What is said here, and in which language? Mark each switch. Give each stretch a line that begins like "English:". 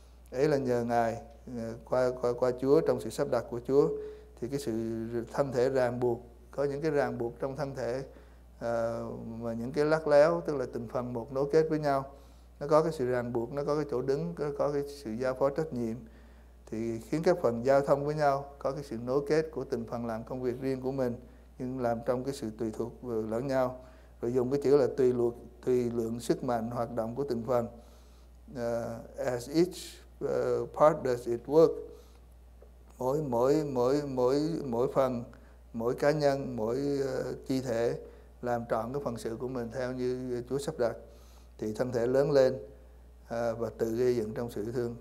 Vietnamese: Ấy là nhờ Ngài, qua Chúa, trong sự sắp đặt của Chúa, thì cái sự thân thể ràng buộc, có những cái ràng buộc trong thân thể và những cái lắc léo, tức là từng phần một nối kết với nhau, nó có cái sự ràng buộc, nó có cái chỗ đứng, có cái sự giao phó trách nhiệm, thì khiến các phần giao thông với nhau có cái sự nối kết của từng phần làm công việc riêng của mình, nhưng làm trong cái sự tùy thuộc lẫn nhau. Rồi dùng cái chữ là tùy lượng sức mạnh hoạt động của từng phần.
English: As each part does it work.
Vietnamese: Mỗi phần, mỗi cá nhân, mỗi chi thể làm trọn cái phần sự của mình theo như Chúa sắp đặt, thì thân thể lớn lên và tự gây dựng trong sự yêu thương.